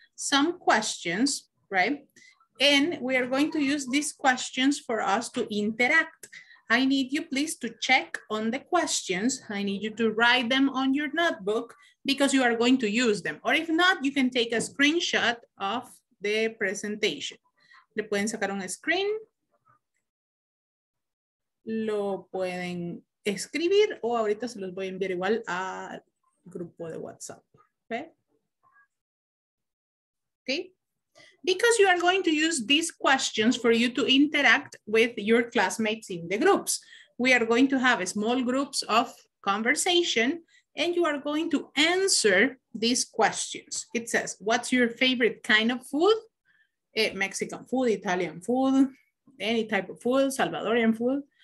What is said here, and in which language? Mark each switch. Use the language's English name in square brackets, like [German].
[English] some questions, right? And we are going to use these questions for us to interact. I need you please to check on the questions. I need you to write them on your notebook because you are going to use them. Or if not, you can take a screenshot of the presentation. [Spanish] Le pueden sacar un screen. Lo pueden escribir o ahorita se los voy a enviar igual al grupo de WhatsApp. [English] Okay? Okay? Because you are going to use these questions for you to interact with your classmates in the groups. We are going to have small groups of conversation and you are going to answer these questions. It says, what's your favorite kind of food? Mexican food, Italian food, any type of food, Salvadorian food.